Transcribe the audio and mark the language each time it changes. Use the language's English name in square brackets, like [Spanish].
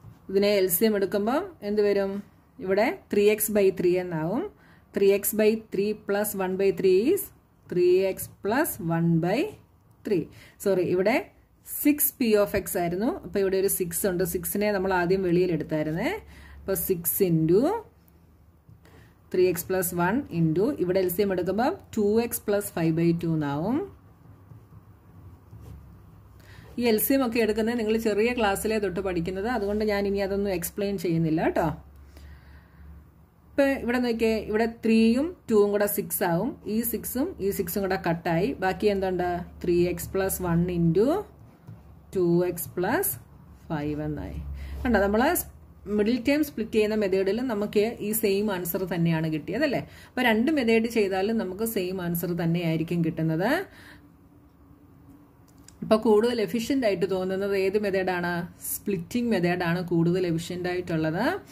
[Malayalam] ഇതിനെ L C M എടുക്കുമ്പം എന്ത് വരും, ഇവിടെ ത്രീ എക്സ് ബൈ ത്രീ എന്നാവും. [English] Three X by three plus one by three is three X plus one by three. [Malayalam] Sorry ഇവിടെ six P of X ആയിരുന്നു. അപ്പോൾ ഇവിടെ ഒരു സിക്സ് ഉണ്ട്, സിക്സിനെ നമ്മൾ ആദ്യം വെളിയിൽ എടുത്തായിരുന്നേ. അപ്പോൾ six into [English] 3x plus 1 into [Malayalam] ഇവിടെ എൽസിഎം എടുക്കുമ്പോൾ [English] 2x plus 5 by 2 [Malayalam] എന്നാവും. ഈ എൽസിഎം ഒക്കെ എടുക്കുന്നത് നിങ്ങൾ ചെറിയ ക്ലാസ്സിലെ തൊട്ട് പഠിക്കുന്നത്, അതുകൊണ്ട് ഞാൻ ഇനി അതൊന്നും എക്സ്പ്ലെയിൻ ചെയ്യുന്നില്ല കേട്ടോ. ഇപ്പൊ ഇവിടെ നോക്കിയേ, ഇവിടെ 3 2 കൂടെ 6 ആവും. ഈ 6 ഈ 6 കൂടെ കട്ടായി, ബാക്കി എന്തുണ്ട്? [English] 3x plus 1 into 2x plus 5 [Malayalam] എന്നായി. കണ്ടോ, നമ്മൾ മിഡിൽ ടേം സ്പ്ലിറ്റ് ചെയ്യുന്ന മെത്തേഡിൽ നമുക്ക് ഈ സെയിം ആൻസർ തന്നെയാണ് കിട്ടിയത് അല്ലേ. അപ്പൊ രണ്ട് മെത്തേഡ് ചെയ്താലും നമുക്ക് സെയിം ആൻസർ തന്നെയായിരിക്കും കിട്ടുന്നത്. ഇപ്പൊ കൂടുതൽ എഫിഷ്യന്റ് ആയിട്ട് തോന്നുന്നത് ഏത് മെത്തേഡാണ്? സ്പ്ലിറ്റിംഗ് മെത്തേഡാണ് കൂടുതൽ എഫിഷ്യന്റ് ആയിട്ടുള്ളത്.